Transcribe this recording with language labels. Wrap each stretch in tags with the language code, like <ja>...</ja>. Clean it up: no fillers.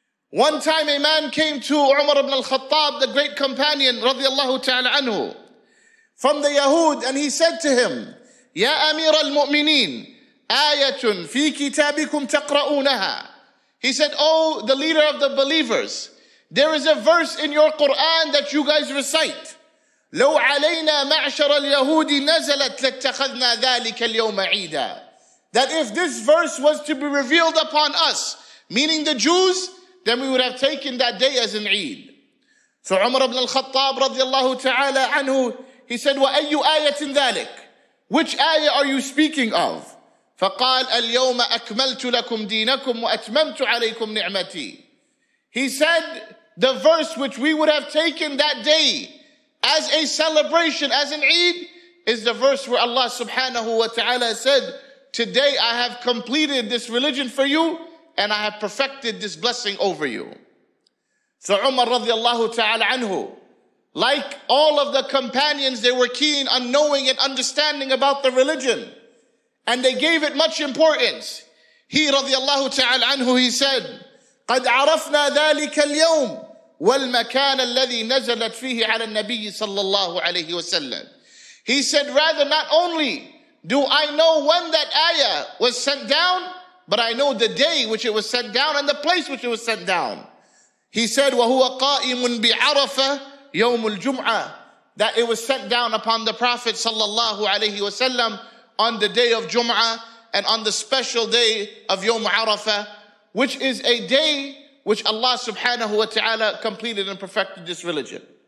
<en>One time a man came to Umar ibn al-Khattab, the great companion, radiallahu ta'ala anhu, from the Yahud, and he said to him,</en> <ar>Ya Amir al-Mu'mineen, ayatun fi kitabikum taqra'unaha.</ar> <en>He said, Oh, the leader of the believers, there is a verse in your Quran that you guys recite.</en> <ar>لو علينا معشر اليهود نزلت لاتخذنا ذلك اليوم عيدا.</ar> <en>That if this verse was to be revealed upon us, meaning the Jews, then we would have taken that day as an Eid. So Umar ibn al-Khattab radiallahu ta'ala anhu, he said,</en> <ar>وَأَيُّ آيَةٍ ذَلِكَ,</ar> <en>which ayah are you speaking of?</en> <ar>فَقَالَ الْيَوْمَ أَكْمَلْتُ لَكُمْ دِينَكُمْ وَأَتْمَمْتُ عَلَيْكُمْ نِعْمَتِي.</ar> <en>He said, the verse which we would have taken that day as a celebration, as an Eid, is the verse where Allah subhanahu wa ta'ala said, today I have completed this religion for you and I have perfected this blessing over you. So Umar radiallahu ta'ala anhu, like all of the companions, they were keen on knowing and understanding about the religion. And they gave it much importance. He radiallahu ta'ala anhu, he said,</en> <ar>قَدْ عَرَفْنَا ذَلِكَ الْيَوْمِ وَالْمَكَانَ الَّذِي نَزَلَتْ فِيهِ عَلَى النَّبِيِّ صَلَّى اللَّهُ عَلَيْهِ وَسَلَّمْ.</ar> <en>He said, rather, not only do I know when that ayah was sent down, but I know the day which it was sent down and the place which it was sent down. He said,</en> <ar>وَهُوَ قَائِمٌ بِعَرَفَ يَوْمُ الْجُمْعَةِ,</ar> <en>that it was sent down upon the Prophet sallallahu alayhi wa sallam on the day of Jum'ah and on the special day of Yawm Arafah, which is a day which Allah subhanahu wa ta'ala completed and perfected this religion.</en>